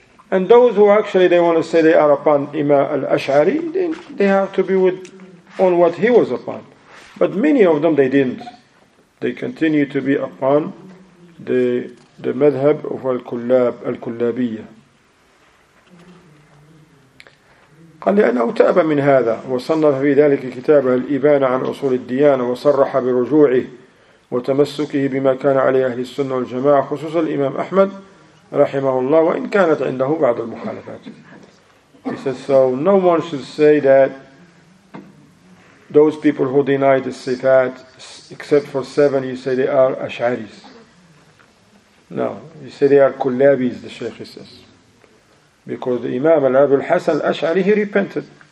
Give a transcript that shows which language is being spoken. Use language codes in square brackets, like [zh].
[en] And those who actually they want to say they are upon Imam al-Ash'ari, then they have to be on what he was upon. But many of them, they didn't. They continue to be upon the madhab of al-Kullabiyyah. [ar] قال لأنه تاب من هذا وصنف في ذلك كتابه الإبانة عن أصول الديانة وصرح برجوعه وتمسكه بما كان عليه أهل السنة والجماعة خصوصا الإمام أحمد رحمه الله وإن كانت عنده بعض المخالفات. [en] He says, so no one should say that those people who deny the sifat except for seven, you say they are Ash'aris. No, you say they are Kullabis, the Sheikh says. Because the Imam Abu al-Hasan al-Ash'ari, he repented.